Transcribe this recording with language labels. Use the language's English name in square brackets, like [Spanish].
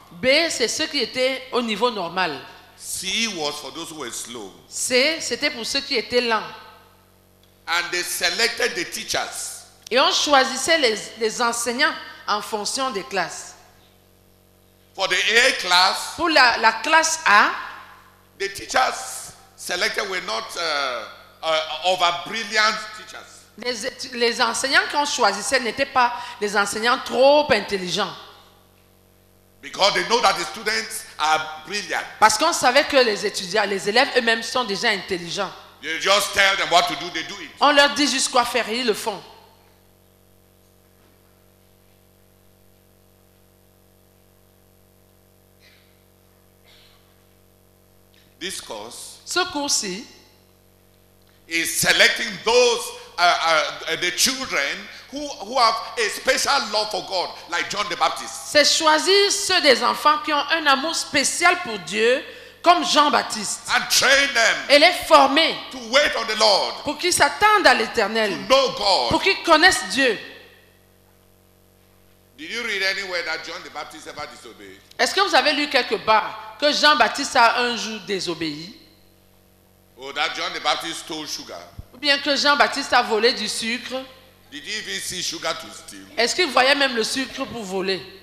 [French] B, c'est ceux qui étaient au niveau normal. [English] C was for those who were slow. [French] C, c'était pour ceux qui étaient lents. [English] And they selected the teachers. [French] Et on choisissait les enseignants en fonction des classes. [English] For the A class, [French] pour la classe A, [English] the teachers selected were not over brilliant teachers. [French] Les enseignants qu'on choisissait n'étaient pas des enseignants trop intelligents. [English] Because they know that the students are brilliant. [French] Parce qu'on savait que les étudiants, les élèves eux-mêmes sont déjà intelligents. [English] You just tell them what to do, they do it. [French] On leur dit juste quoi faire, ils le font. [English] This course, [French] ce cours-ci, [English] is selecting those the children who have a special love for God, like John the Baptist. [French] C'est choisir ceux des enfants qui ont un amour spécial pour Dieu, comme Jean-Baptiste. [English] And train them. [French] Et les former. [English] To wait on the Lord. [French] Pour qu'ils s'attendent à l'Éternel. [English] To know God. [French] Pour qu'ils connaissent Dieu. [English] Did you read anywhere that John the Baptist ever disobeyed? [French] Est-ce que vous avez lu quelque part que Jean-Baptiste a un jour désobéi? [English] Oh, that John the Baptist stole sugar. [French] Bien que Jean-Baptiste a volé du sucre, [English] did he even see sugar to steal? [French] Est-ce qu'il voyait même le sucre pour voler?